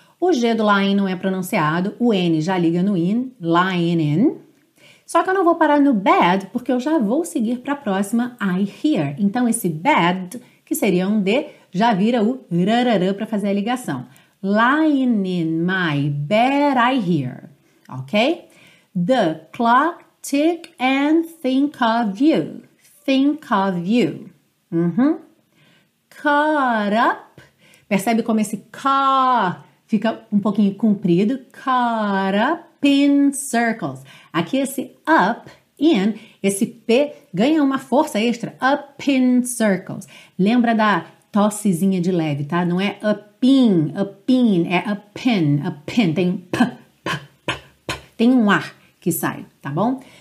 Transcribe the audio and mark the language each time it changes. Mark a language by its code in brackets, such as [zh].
[pt] O G do lying não é pronunciado, o N já liga no in, lying in. Só que eu não vou parar no bed, porque eu já vou seguir para a próxima, I hear. Então, esse bed, que seria um D, já vira o rararã para fazer a ligação. [en] Lying in my bed, I hear. Ok? The clock tick and think of you. Think of you. Uhum. Caught up. [pt] Percebe como esse ca fica um pouquinho comprido, [en] caught up in circles. [pt] Aqui esse up, in, esse P ganha uma força extra, [en] up in circles. [pt] Lembra da tossezinha de leve, tá? Não é up in, é up in, tem um p, p, p, p, tem um ar que sai, tá bom?